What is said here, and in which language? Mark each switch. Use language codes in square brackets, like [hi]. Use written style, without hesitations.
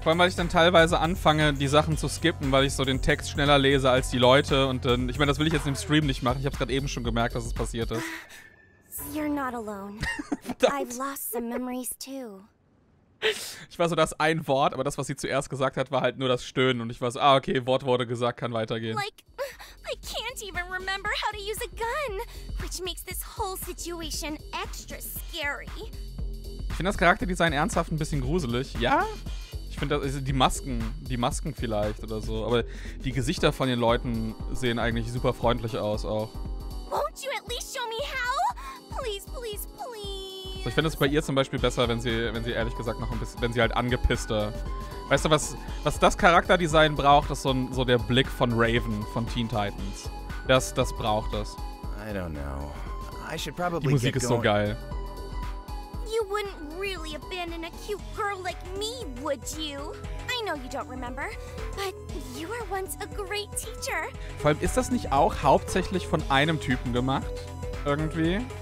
[de] Vor allem, weil ich dann teilweise anfange, die Sachen zu skippen, weil ich so den Text schneller lese als die Leute. Und dann, ich meine, das will ich jetzt im Stream nicht machen. Ich habe es gerade eben schon gemerkt, dass es passiert ist. [en] You're not alone. I've lost some memories too. [de] Ich war so, das ein Wort, aber das, was sie zuerst gesagt hat, war halt nur das Stöhnen. Und ich war so, ah, okay, Wort wurde gesagt, kann weitergehen. [en] I can't even remember how to use a gun, which makes this whole situation extra scary. [de] Ich finde das Charakterdesign ernsthaft ein bisschen gruselig. Ja? Ich finde, die Masken vielleicht oder so. Aber die Gesichter von den Leuten sehen eigentlich super freundlich aus auch. [en] Won't you at least show me how? Please, please, please. [de] So, ich finde es bei ihr zum Beispiel besser, wenn sie ehrlich gesagt noch ein bisschen, wenn sie halt angepisster. Weißt du, was das Charakterdesign braucht, ist so der Blick von Raven von Teen Titans. Das braucht es. [en] I don't know. I should probably [de] die Musik get ist going. So geil. [en] You wouldn't really abandon a cute girl like me, would you? I know you don't remember, but you were once a great teacher. [de] Vor allem, ist das nicht auch hauptsächlich von einem Typen gemacht? Irgendwie?